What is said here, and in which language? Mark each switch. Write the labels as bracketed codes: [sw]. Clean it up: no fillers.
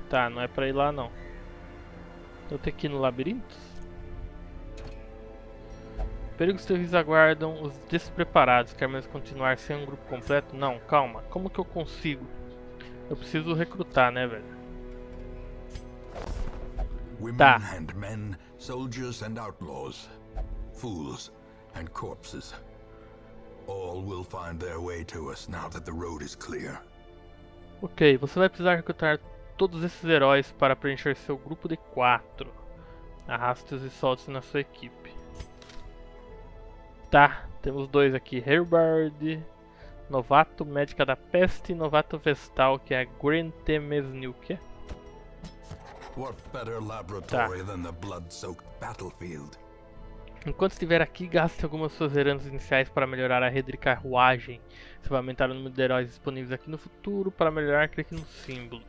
[pt] Tá, não é pra ir lá não. Eu tenho que ir no labirinto? Perigos terríveis aguardam os despreparados. Quer mesmo continuar sem um grupo completo? Não, calma. Como que eu consigo? Eu preciso recrutar, né, velho? [en] Women and men, soldiers and outlaws, fools and corpses. All will find their way to us now that the road is clear. [pt] Ok, você vai precisar recrutar todos esses heróis para preencher seu grupo de 4. Arraste-os e solte-os na sua equipe. Tá, temos 2 aqui. Herbard, novato médica da peste, novato vestal, que é Grente Mesnilke. [en] What better laboratory than the blood-soaked battlefield? [pt] Enquanto estiver aqui, gaste algumas suas heranças iniciais para melhorar a rede de carruagem. Você vai aumentar o número de heróis disponíveis aqui no futuro. Para melhorar, clique no símbolo.